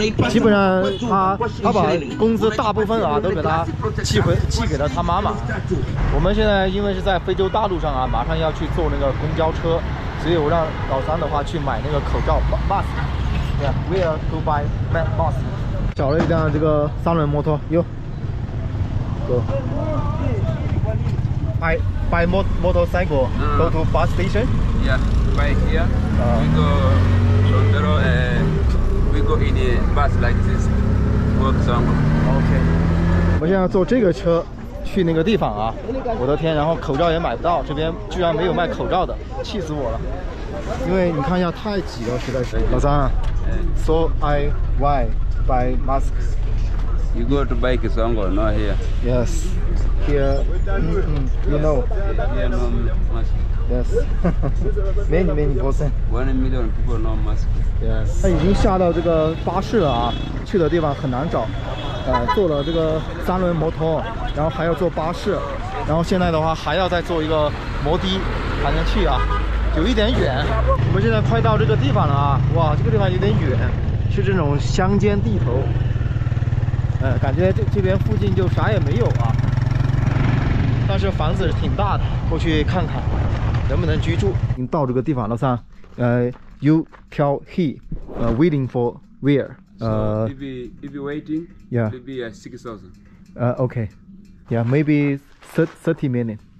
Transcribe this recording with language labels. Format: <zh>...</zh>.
<zh>基本上他把工资大部分啊都给他寄给了他妈妈。我们现在因为是在非洲大陆上啊，马上要去坐那个公交车，所以我让老三的话去买那个口罩 mask。</zh> <en>Yeah, we are to buy mask。</en> <zh>找了一辆这个三轮摩托，哟。</zh> <en>By motorcycle, go to bus station. Yeah, by here. We go Londero and we go in the bus like this. Work some. Okay.</en> <zh>我现在坐这个车去那个地方啊！我的天，然后口罩也买不到，这边居然没有卖口罩的，气死我了！因为你看一下，太挤了，实在是。老三</zh> <en>，So I why buy masks? You go to buy some, not here. Yes. Here, you know. Yeah, no mask. Yes. Many percent. 1 million people no mask.</en> <zh>Yes. 他已经下到这个巴士了啊，去的地方很难找。坐了这个三轮摩托，然后还要坐巴士，然后现在的话还要再坐一个摩的才能去啊，有一点远。我们现在快到这个地方了啊，哇，这个地方有点远，是这种乡间地头。感觉这边附近就啥也没有啊。但是房子是挺大的，过去看看能不能居住。你到这个地方了噻，</zh> <en>you tell he, waiting for where? So if you waiting, yeah, maybe 6,000. Okay, yeah, maybe 30 minutes.</en>